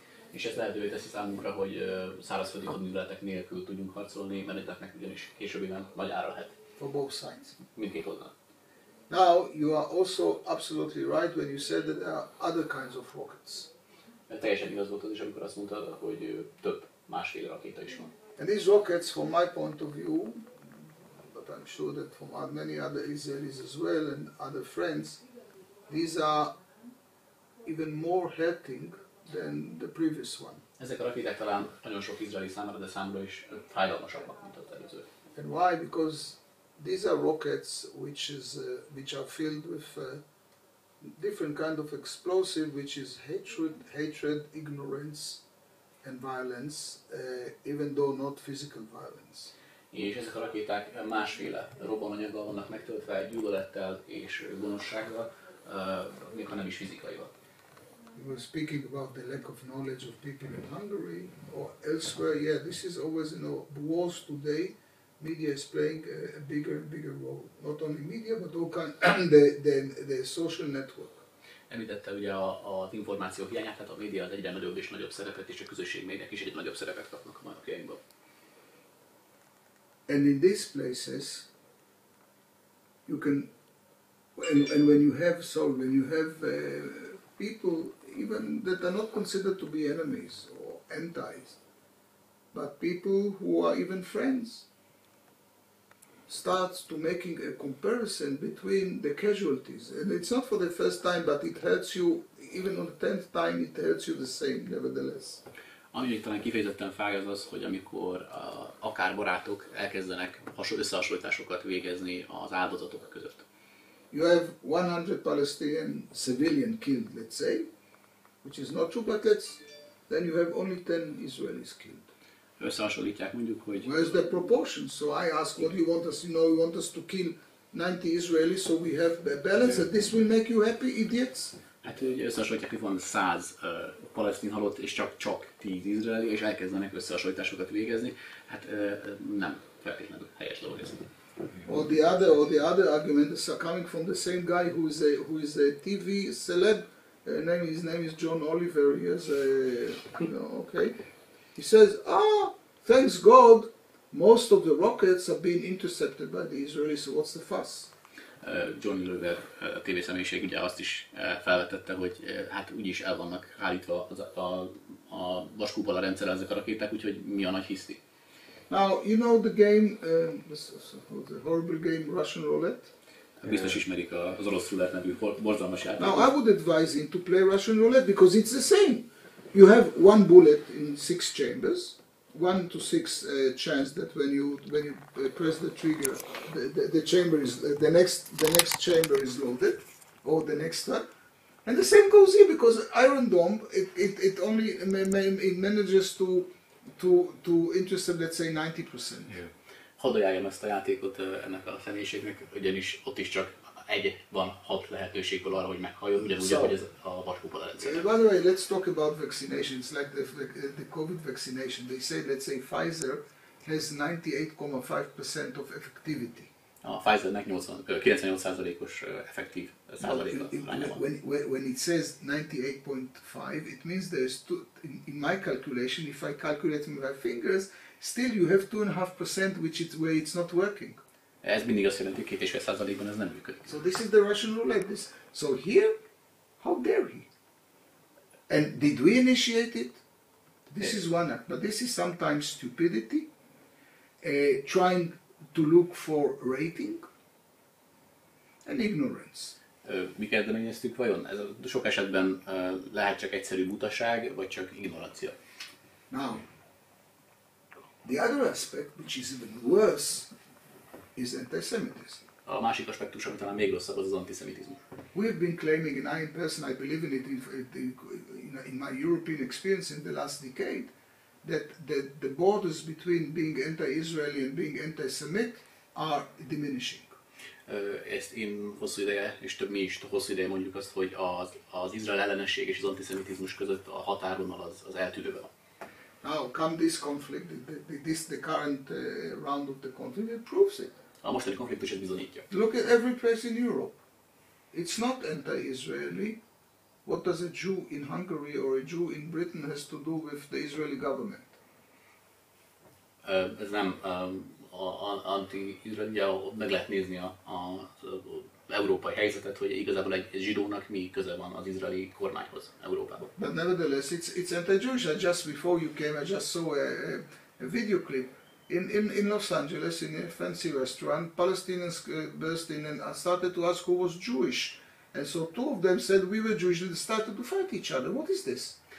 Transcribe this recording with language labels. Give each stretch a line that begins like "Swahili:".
Hungarian: És ez lehetővé teszi számunkra, hogy szárazföldi hadműveletek nélkül tudjunk harcolni, menetetnek ugyanis későbbiben nagy ára lehet.
English: For both sides.
Hungarian: Mindkét oldalon.
English: Now, you are also absolutely right when you said that there are other kinds of rockets.
Hungarian: Teljesen igaz volt az is, amikor azt mondtad, hogy több másféle rakéta is van.
English: And these rockets, from my point of view, but I'm sure that from many other Israelis as well and other friends, these are even more hurting than the previous one.
Hungarian: Ezek a rakéták talán nagyon sok izraeli számára, de számra is fájdalmasabbak, mint az előző.
English: And why? Because these are rockets which are filled with different kind of explosive, which is hatred, ignorance, and violence, even though not physical violence.
Hungarian: És ezek a rakéták másféle robbananyaggal vannak megtöltve, gyűlölettel és gonoszsággal, még ha nem is fizikaival.
English: You were speaking about the lack of knowledge of people in Hungary or elsewhere. Yeah, this is always, you know, wars today. Media is playing a bigger role. Not only media, but all kind of the social network.
Hungarian: Említette ugye az információ hiányát, tehát a média az egyre nagyobb és nagyobb szerepet, és a közösségmédiák is egy nagyobb szerepet kapnak a napjainkban.
English: And in these places, you can, and when you have, sorry, when you have people even that are not considered to be enemies or antis, but people who are even friends, starts to making a comparison between the casualties, and it's not for the first time, but it hurts you even on the 10th time, it hurts you the same nevertheless.
Hungarian: Ami talán kifejezetten fáj az, hogy amikor akár barátok elkezdenek összehasonlításokat végezni az áldozatok között.
English: You have 100 Palestinian civilian killed, let's say, which is not true, but then you have only 10 Israelis killed.
Hungarian: Összehasonlítják mondjuk, hogy...
English: Where's the proportion? So I ask, what do you want us? You know, you want us to kill 90 Israelis, so we have a balance, and this will make you happy, idiots?
Hungarian: Hát ugye összehasonlítják, hogy van 100 palesztin halott, és csak 10 izraeli, és elkezdenek összehasonlításokat végezni. Hát nem feltétlenül helyes dolog ez.
English: Or the other argument is coming from the same guy who is a TV celeb. His name is John Oliver. He has a... okay. He says, thanks God, most of the rockets have been intercepted by the Israelis, so what's the fuss?
Hungarian: John Oliver, a TV személyiség ugye azt is felvetette, hogy hát úgyis el vannak állítva a vaskupola rendszerre ezek a rakéták, úgyhogy mi a nagy hiszti?
English: Now, you know the game, the horrible game, Russian Roulette?
Hungarian: Biztos ismerik az orosz roulette nevű borzalmas játékot.
English: Now, I would advise him to play Russian Roulette, because it's the same. You have one bullet in six chambers, 1 to 6 chance that when you press the trigger, the chamber is the next chamber is loaded, or the next one, and the same goes here because Iron Dome it only it manages to intercept, let's say, 90%. Yeah.
Hungarian: Hadd ajánljam ezt a játékot ennek a személyiségnek, ugyanis ott is csak egy van hat lehetőségből arra, hogy meghalljon, ugyanúgy, ahogy ez a vaskupola rendszer.
English: By the way, let's talk about vaccinations, like the COVID vaccination. They say, let's say, Pfizer has 98.5% of effectivity.
Hungarian: a Pfizer-nek 98%-os effektív százaléka.
English: When it says 98.5, it means there's two, in my calculation, if I calculate with my fingers, still you have 2.5%, which is where it's not working.
Hungarian: Ez mindig azt jelenti, 2.5%-ban ez nem működik.
English: So this is the Russian roulette. So here, how dare he? And did we initiate it? This is one act, but this is sometimes stupidity, trying to look for rating and ignorance.
Hungarian: Mi kezdeményeztük vajon? Ez sok esetben lehet csak egyszerű butaság, vagy csak ignorancia.
English: Now, the other aspect, which is even worse, is antisemitism.
Hungarian: A másik aspektus, ami talán még rosszabb, az antiszemitizmus.
English: We've been claiming, and I in person, I believe in it, in my European experience in the last decade, that the borders between being anti-Israeli and being anti-Semit are diminishing.
Hungarian: Ezt én hosszú ideje, és több mi is hosszú ideje mondjuk azt, hogy az izrael ellenesség és az antiszemitizmus között a határvonal az eltűnőben.
English: Now, come this conflict, the current round of the conflict, it proves it.
Hungarian: A mostani konfliktus ezt bizonyítja.
English: Look at every place in Europe. It's not anti-Israeli. What does a Jew in Hungary or a Jew in Britain has to do with the Israeli government?
Hungarian: Ez nem anti-Izrael, ugye meg lehet nézni az európai helyzetet, hogy igazából egy zsidónak mi köze van az izraeli kormányhoz Európában.
English: But nevertheless, it's anti-Jewish. Just before you came, I just saw a video clip. In Los Angeles, in a fancy restaurant, Palestinians burst in and started to ask who was Jewish. And so two of them said, we were Jewish, and they started to fight each other. What is this?